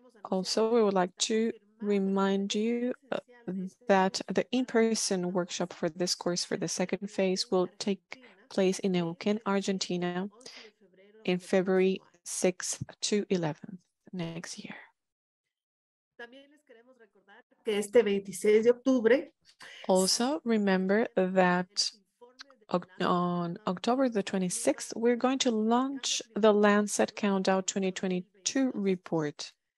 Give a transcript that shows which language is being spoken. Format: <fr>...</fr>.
<en>Also, we would like to remind you that the in-person workshop for this course for the second phase will take place in Neuquén, Argentina, in February 6th to 11th. Next year.</en> <es>También les queremos recordar que este 26 de octubre.</es> <en>Also remember that on October the 26th, we're going to launch the Lancet Countdown 2022 report.</en>